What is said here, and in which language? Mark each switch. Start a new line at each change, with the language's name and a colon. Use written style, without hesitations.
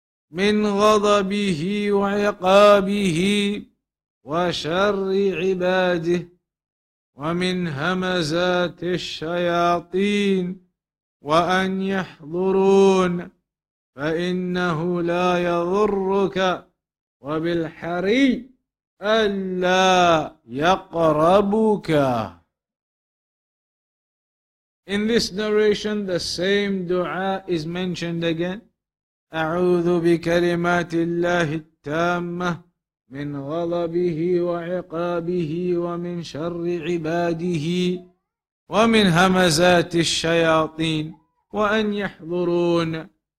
Arabic: من غضبه وعقابه وشر عباده ومن همزات الشياطين وأن يحضرون فإنه لا يضرك وبالحري ألا يقربك.
English: In this narration, the same dua is mentioned again.
Arabic: أعوذ بكلمات الله التامة من غضبه وعقابه ومن شر عباده ومن همزات الشياطين وأن يحضرون.